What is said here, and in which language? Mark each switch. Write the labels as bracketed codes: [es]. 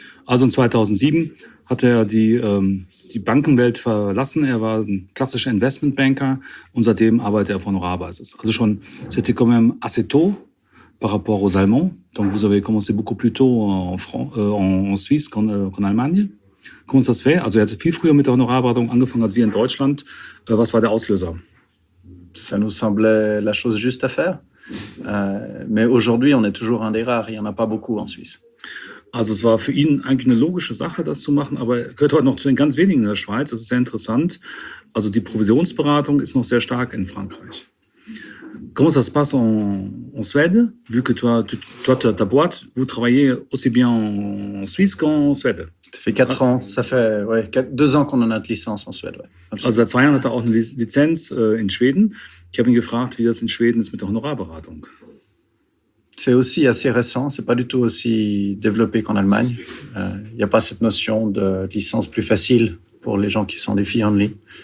[de] Also in 2007 hat er die Bankenwelt verlassen. Er war ein klassischer Investmentbanker und seitdem arbeitet er auf Honorarbasis. Also schon, [fr] c'était quand même assez tôt par rapport aux Allemands. Donc vous avez commencé beaucoup plus tôt en Suisse qu'en Allemagne. Comment ça se fait? [de] Also, er hat viel früher mit der Honorarberatung angefangen als wir in Deutschland. Was war der Auslöser? [fr] Ça nous semblait la chose juste à faire. Mais aujourd'hui, on est toujours un des rares. Il n'y en a pas beaucoup en Suisse. [de] Also, es war für ihn eigentlich eine logische Sache, das zu machen. Aber er gehört heute noch zu den ganz wenigen in der Schweiz. Das ist sehr interessant. Also, die Provisionsberatung ist noch sehr stark in Frankreich. [fr] Comment ça se passe en Suède? Vu que toi, ta boîte, vous travaillez aussi bien en Suisse qu'en Suède? Ça fait deux ans qu'on a notre licence en Suède. Ouais. [de] Also, seit zwei Jahren hat er auch eine Lizenz in Schweden. Ich habe ihn gefragt, wie das in Schweden ist mit der Honorarberatung. [fr] C'est aussi assez récent, c'est pas du tout aussi développé qu'en Allemagne. Y a pas cette notion de licence plus facile pour les gens qui sont des fee only.